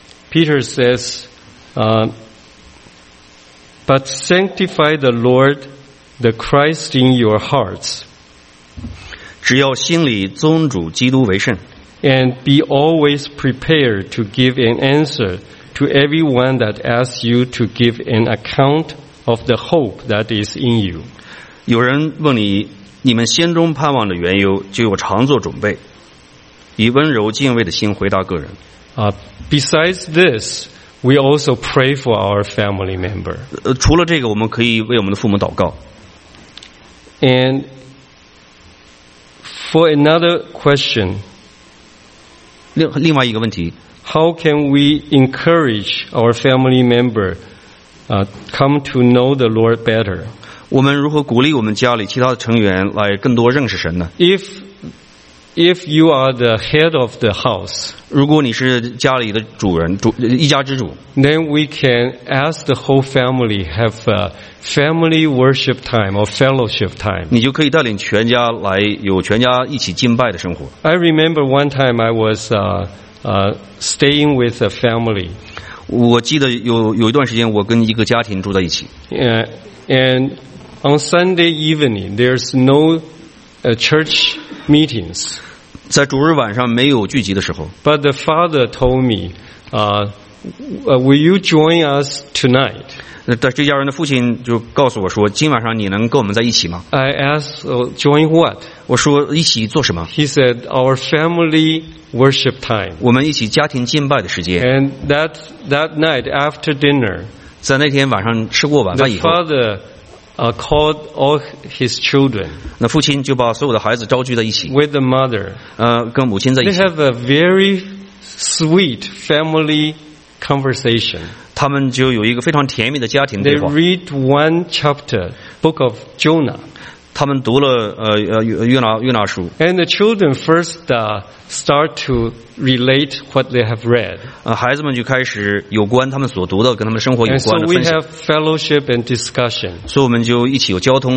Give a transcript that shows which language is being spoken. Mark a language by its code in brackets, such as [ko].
[en] Peter says, but sanctify the Lord, the Christ in your hearts. [zh] 只要心里尊主基督为圣。 [en] And be always prepared to give an answer. To everyone that asks you to give an account of the hope that is in you. [zh] 有人问你，你们心中盼望的缘由，就有常做准备，以温柔敬畏的心回答个人。 [en] Besides this, we also pray for our family member. [zh] 除了这个，我们可以为我们的父母祷告。 [en] And for another question, [zh] 另外一个问题。 [en] How can we encourage our family member, come to know the Lord better? [zh] 我们如何鼓励我们家里其他的成员来更多认识神呢 [en] ？If If you are the head of the house, [zh] 如果你是家里的主人，一家之主， [en] then we can ask the whole family have a family worship time or fellowship time. [zh] 你就可以带领全家来有全家一起敬拜的生活。 [en] I remember one time I was staying with a family. [zh] 我记得有一段时间我跟一个家庭住在一起。 [en] And on Sunday evening, there's no church meetings. [zh] 在主日晚上没有聚集的时候。 [en] But the father told me, will you join us tonight? [zh] 但这家人的父亲就告诉我说，今晚上你能跟我们在一起吗？ [en] I asked, join what? [zh] 我说一起做什么？ [en] He said, our family worship time. [zh] 我们一起家庭敬拜的时间。 [en] And that night after dinner, [zh] 在那天晚上吃过晚饭以后， [en] the father called all his children. [zh] 那父亲就把所有的孩子招聚在一起。 [en] With the mother. [zh] 跟母亲在一起。 [en] They have a very sweet family conversation. [zh] 他们就有一个非常甜蜜的家庭对话。 [en] They read one chapter, book of Jonah. [zh] 他们读了约拿书。 [en] And the children first start to relate what they have read. [zh] 孩子们就开始有关他们所读的跟他们生活有关的分享。 [en] And so we have fellowship and discussion. [zh] 所以我们就一起有交通。